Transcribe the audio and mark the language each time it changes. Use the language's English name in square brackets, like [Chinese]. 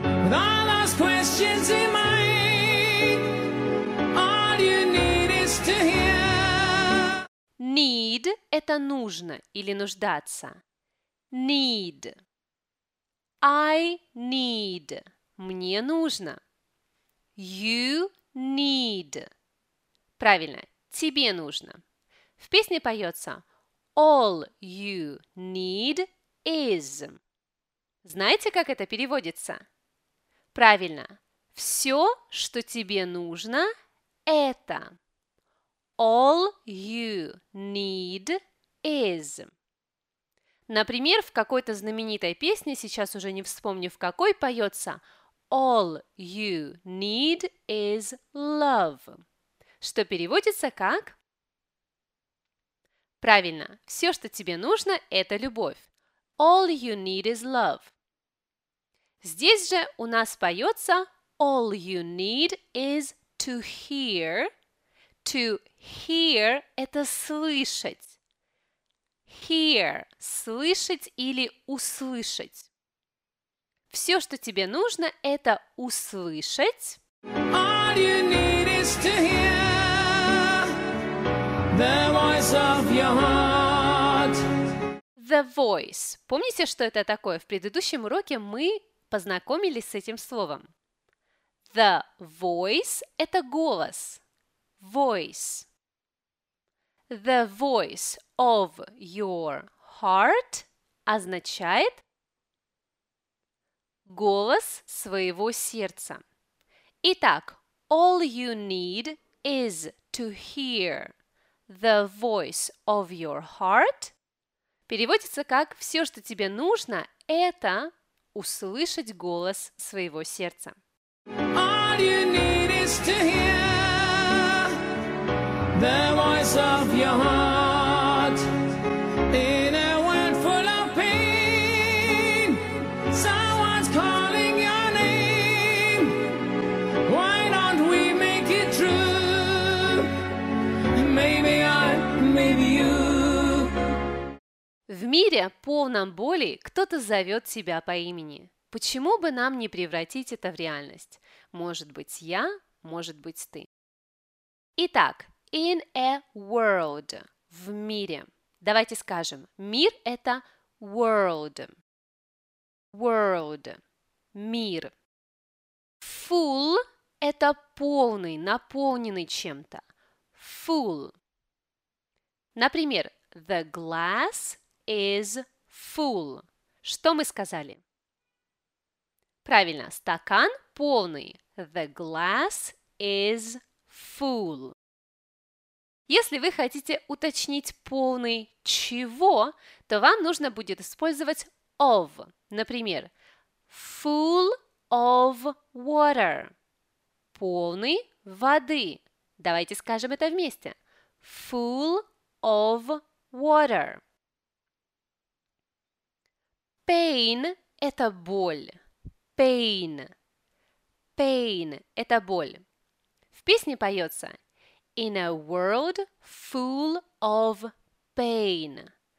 [English] With all those questions in mind, all you need is to hear. [Russian] Need – это нужно или нуждаться. [English] Need. I need. [Russian] Мне нужно. [English] You need. [Russian] Правильно, тебе нужно. В песне поется [English] «All you need is». [Russian] Знаете, как это переводится? Правильно. Все, что тебе нужно, это. [English] All you need is. [Russian] Например, в какой-то знаменитой песне, сейчас уже не вспомню в какой, поется [English] All you need is love. [Russian] Что переводится как? Правильно. Все, что тебе нужно, это любовь. [English] All you need is love. [Russian] Здесь же у нас поется [English] «All you need is to hear». [Russian] «To hear» – это слышать. «Hear» – слышать или услышать. Все, что тебе нужно, это услышать. [English] All you need is to hear the voice of your heart. The voice. [Russian] Помните, что это такое? В предыдущем уроке мы познакомились с этим словом. The voice – это голос. [English] voice. The voice of your heart [Russian] означает голос своего сердца. [English] Итак, all you need is to hear the voice of your heart. [Russian] Переводится как «все, что тебе нужно, это услышать голос своего сердца». [English] All you need is to hear the voice of your heart. In a world full of pain, someone's calling your name. Why don't we make it true? Maybe I, maybe you. [Russian] В мире, полном боли, кто-то зовет тебя по имени. Почему бы нам не превратить это в реальность? Может быть, я, может быть, ты. Итак, [English] in a world, [Russian] в мире. Давайте скажем, мир – это world. World, мир. Full – это полный, наполненный чем-то. Full. [English] Например, the glass is full. [Russian] Что мы сказали? Правильно, стакан полный. [English] The glass is full. [Russian] Если вы хотите уточнить полный чего, то вам нужно будет использовать of. [English] Например, full of water. [Russian] Полный воды. Давайте скажем это вместе. [English] Full of water. [Russian] Pain – это боль. [English] Pain. [Russian] Pain – это боль. В песне поется [English] «In a world full of pain».